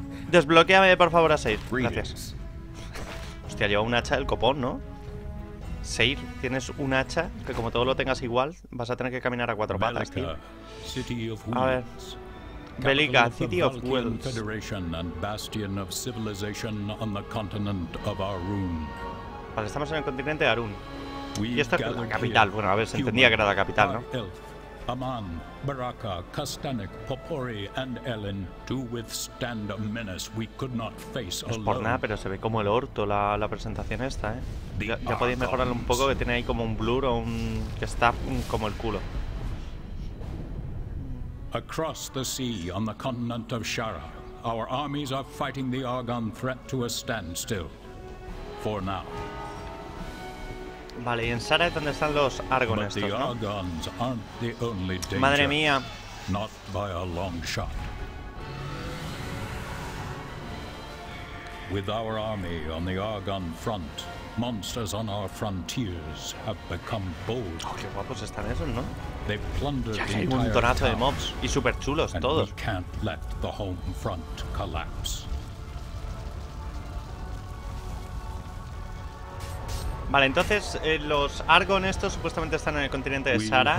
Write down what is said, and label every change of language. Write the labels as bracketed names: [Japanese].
[Spanish] Desbloquéame, por favor, a Seir. Gracias. Hostia, lleva un hacha del copón, ¿no? Seir, tienes un hacha que como todo lo tengas igual, vas a tener que caminar a cuatro patas, tío. A ver. [English] Velika, City of Wills. Federation and bastion of civilization on the continent of Arun. [Spanish] Vale, estamos en el continente de Arun. Y esta es la capital. Bueno, a ver, se entendía que era la capital, ¿no? [English] Aman, Baraka, Kastanik, Popori and Elin to withstand a menace we could not face alone. [Spanish] No es por nada, pero se ve como el orto la presentación esta, ¿eh? Ya podéis mejorarlo un poco, que tiene ahí como un blur o un... que está como el culo. [English] Across the sea, on the continent of Shara, our armies are fighting the Argon threat to a standstill. For now. [Spanish] Vale, y en Shara es donde están los Argon estos, ¿no? [English] But the Argons aren't the only danger. [Spanish] Madre mía. [English] Not by a long shot. With our army on the Argon front, monsters on our frontiers have become bold. [Spanish] Oh, qué guapos están esos, ¿no? [English] They plundered the entire town. [Spanish] Un montonazo de mobs y super chulos todos. [English] We can't let the home front collapse. [Spanish] Vale, entonces los Argon estos supuestamente están en el continente de Shara.